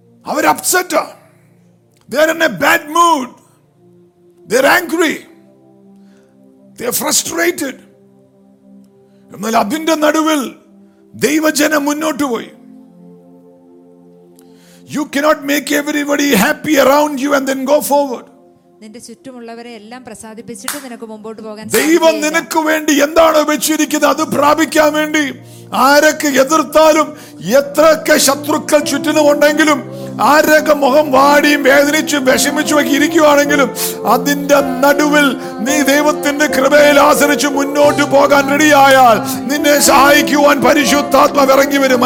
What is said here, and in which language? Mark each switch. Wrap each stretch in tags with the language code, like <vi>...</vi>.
<en>അവർ upset, they are in a bad mood. They're angry. They're frustrated.</en> <ml>എന്നാൽ അതിന്റെ നടുവിൽ ദൈവജനം മുന്നോട്ട് പോയി.</ml> <en>You cannot make everybody happy around you and then go forward.</en> <ml>നിന്റെ ചുറ്റുമുള്ളവരെ എല്ലാം പ്രസാദിപ്പിച്ചിട്ട് നിനക്ക് മുമ്പോട്ട് പോകാൻ സാധിക്കില്ല. ദൈവം നിനക്ക് വേണ്ടി എന്താണ് വെച്ചിരിക്കുന്നത് അത് പ്രാപിക്കാൻ വേണ്ടി ആരൊക്കെ എതിർത്താലും, എത്രയൊക്കെ ശത്രുക്കൾ ചുറ്റിനുമുണ്ടെങ്കിലും, ആരൊക്കെ മുഖം വാടിയും വേദനിച്ചും വിഷമിച്ചുമൊക്കെ ഇരിക്കുവാണെങ്കിലും, അതിന്റെ നടുവിൽ നീ ദൈവത്തിന്റെ കൃപയിൽ ആശ്രയിച്ച് മുന്നോട്ട് പോകാൻ റെഡിയായാൽ നിന്നെ സഹായിക്കുവാൻ പരിശുദ്ധാത്മാവ് ഇറങ്ങി വരും.</ml>